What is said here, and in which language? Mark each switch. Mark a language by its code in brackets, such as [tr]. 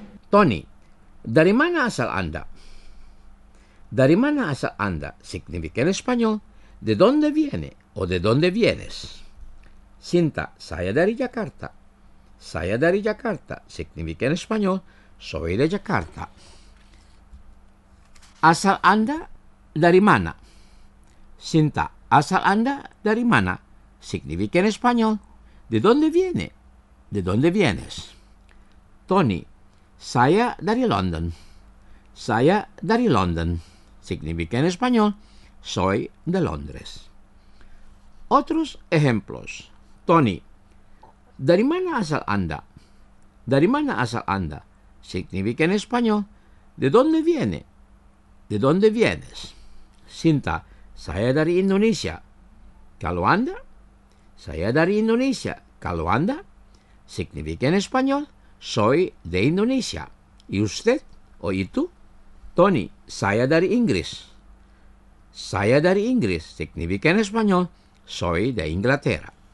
[id] Tony, dari mana asal Anda? Dari mana asal Anda [es] significa en español de dónde viene o de dónde vienes. [id] Cinta, saya dari Jakarta. Saya dari Jakarta [es] significa en español soy de Jakarta. [id] Asal Anda dari mana? [es] Cinta, [id] asal Anda dari mana [es] significa en español de dónde viene, de dónde vienes. [id] Tony, saya dari London. Saya dari London [es] significa en español soy de Londres. Otros ejemplos. [id] Tony, dari mana asal Anda? Dari mana asal Anda [es] significa en español de dónde viene, de dónde vienes. [id] Cinta, saya dari Indonesia. Kalau Anda? Saya dari Indonesia. Kalau Anda [es] significa en español soy de Indonesia. ¿Y usted o [id] itu? Tony, saya dari Inggris. Saya dari Inggris [es] significa en español soy de Inglaterra.